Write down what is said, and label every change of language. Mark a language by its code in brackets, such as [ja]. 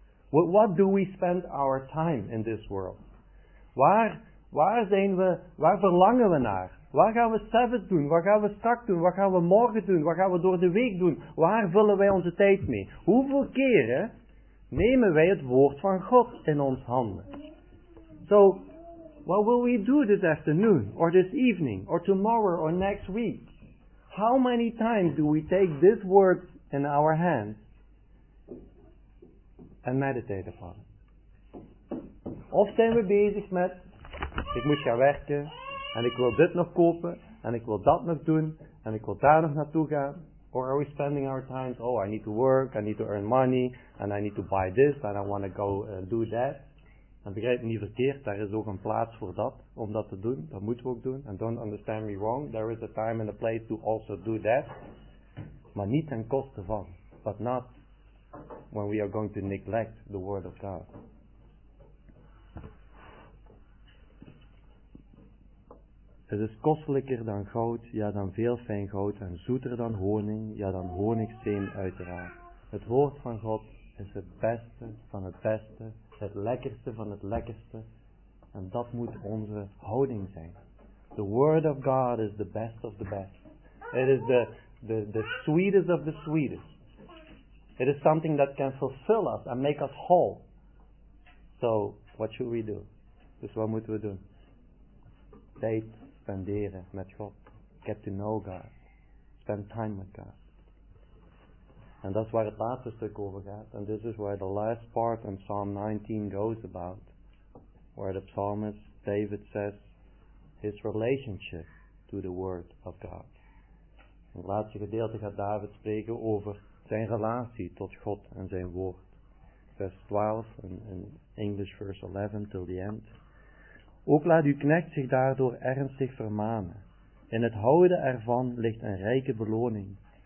[en] What do we spend our time in this world? [nl] Waar verlangen we naar? Waar gaan we Sabbath doen? Waar gaan we straks doen? Waar gaan we morgen doen? Waar gaan we door de week doen? Waar vullen wij onze tijd mee? Hoeveel keren nemen wij het woord van God in ons handen? [en] So, what will we do this afternoon, or this evening, or tomorrow, or next week? How many times do we take this word in our hands and meditate upon it? [nl] Of zijn we bezig met, ik moet gaan werken, en ik wil dit nog kopen, en ik wil dat nog doen, en ik wil daar nog naartoe gaan? [en] Or are we spending our time, oh, I need to work, I need to earn money, and I need to buy this, and I want to go do that. [nl] En begrijp me niet verkeerd, daar is ook een plaats voor dat, om dat te doen, dat moeten we ook doen. [en] And don't understand me wrong, there is a time and a place to also do that. [nl] Maar niet ten koste van, [en] but not when we are going to neglect the word of God. [nl] Het is kostelijker dan goud, ja dan veel fijn goud, en zoeter dan honing, ja dan honigsteen uiteraard. Het woord van God is het beste van het beste het lekkerste van het lekkerste. En dat moet onze houding zijn. [en] The word of God is the best of the best. It is the sweetest of the sweetest. It is something that can fulfill us and make us whole. So, what should we do? [nl] Dus wat moeten we doen? Tijd spenderen met God. [en] Get to know God. Spend time with God. [nl] En dat is waar het laatste stuk over gaat. [en] And this is where the last part in Psalm 19 goes about. Where the psalmist, David, says his relationship to the word of God. [nl] In het laatste gedeelte gaat David spreken over zijn relatie tot God en zijn woord. Vers 12, [en] in English verse 11 till the end. [nl] Ook laat uw knecht zich daardoor ernstig vermanen. In het houden ervan ligt een rijke beloning.